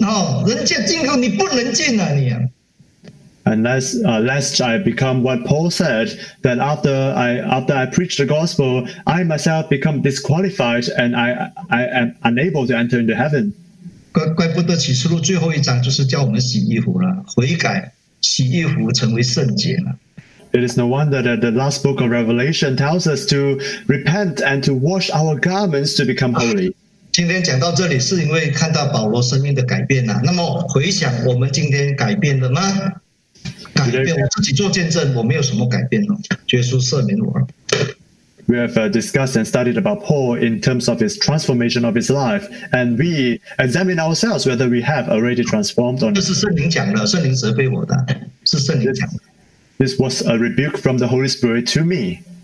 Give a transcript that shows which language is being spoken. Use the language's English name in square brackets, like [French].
[Chinese] 像保罗说的，哦，我传福音给别人，人家得救了，我自己被主弃绝了。就是说，你讲这么多道理了，你读这么多圣经了，你祷告这么多个小时了，你为哦，人家进口你不能进啊，你。 [English] Unless, lest I become what Paul said, that after I preach the gospel, I myself become disqualified and I am unable to enter into heaven. [Chinese] 怪不得启示录最后一章就是叫我们洗衣服了，悔改，洗衣服成为圣洁了。 [English] It is no wonder that the last book of Revelation tells us to repent and to wash our garments to become holy. [Chinese] 今天讲到这里是因为看到保罗生命的改变了，那么回想我们今天改变了吗？改变我自己做见证，我没有什么改变哦，主耶稣赦免我。 [English] We have discussed and studied about Paul in terms of his transformation of his life, and we examine ourselves whether we have already transformed or not. [Chinese] 这是圣灵讲的，圣灵责备我的，是圣灵讲的。 [English] This was a rebuke from the Holy Spirit to me.